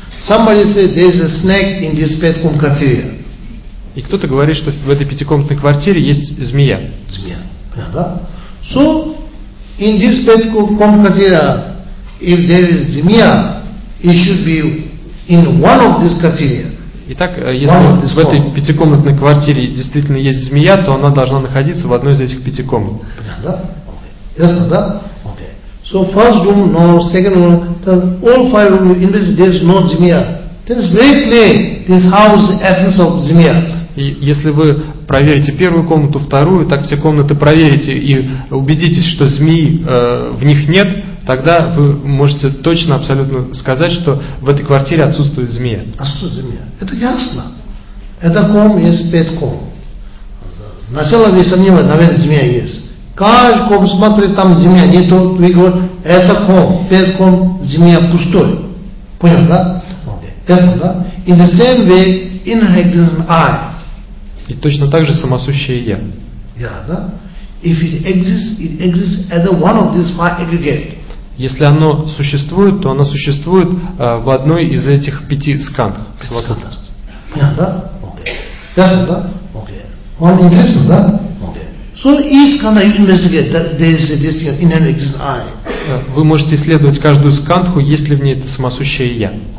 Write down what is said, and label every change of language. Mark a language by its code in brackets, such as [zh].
[en] Somebody says there is a snake in this bedroom quartier. [ru] И кто-то говорит, что в этой пятикомнатной квартире есть змея. Змея, да? [en] So, in this bedroom quartier, if there is [ru] змея, [en] it should be in one of these quartier. [ru] Итак, если в этой пятикомнатной квартире действительно есть змея, то она должна находиться в одной из этих пяти комнат. Ясно, да? Окей. [en] So, first room, no, second room, then all five rooms, in this there is no [ru] змея. [en] Then it's very clear, this house absence of [ru] змея. И если вы проверите первую комнату, вторую, так все комнаты проверите и убедитесь, что змеи в них нет, тогда вы можете точно абсолютно сказать, что в этой квартире отсутствует змея. Отсутствует змея. Это ясно. Это ком есть пять ком. Сначала не сомневаюсь, наверное, змея есть. Каждый ком смотрит, там змея нету. Вы говорите, это ком, пять ком, змея пустой. Понял, да? [en] Okay. [ru] Ясно, да? [en] In the same way, inherent I. [ru] И точно так же самосущее я. Да. [en] If it exists at one of these five aggregate. [ru] Если оно существует, то оно существует в одной из этих пяти сканг. Понятно, да? Окей. Ясно, да? Окей. [en] One interesting, [ru] да? Окей. [en] So each scanner you investigate that there is this in an existing I. [ru] Вы можете исследовать каждую сканху, есть ли в ней это самосущее я.